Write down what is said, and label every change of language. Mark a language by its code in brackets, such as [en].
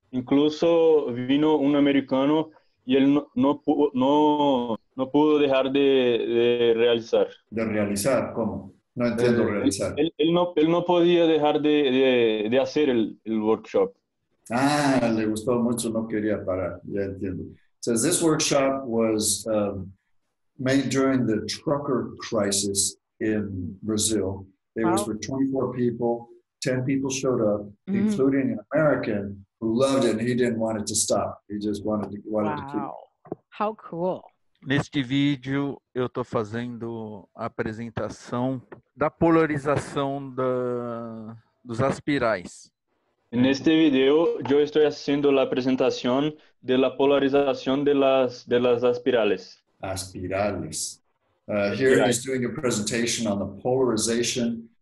[es] Incluso vino un americano y él no pudo dejar de realizar. De realizar, ¿cómo? No entiendo realizar. Él no podía dejar de hacer el workshop. Ah, le gustó mucho, no quería parar. Ya entiendo. [en] So this workshop was made during the trucker crisis in Brazil. It was for 24 people. 10 people showed up, including an American who loved it and he didn't want it to stop. He just wanted to keep it. How cool. [pt] Neste vídeo, eu estou fazendo a apresentação da polarização dos aspirais. Neste vídeo, eu estou fazendo a apresentação da polarização das aspirais. Aspirais. [en] Here he's doing a presentation on the polarization.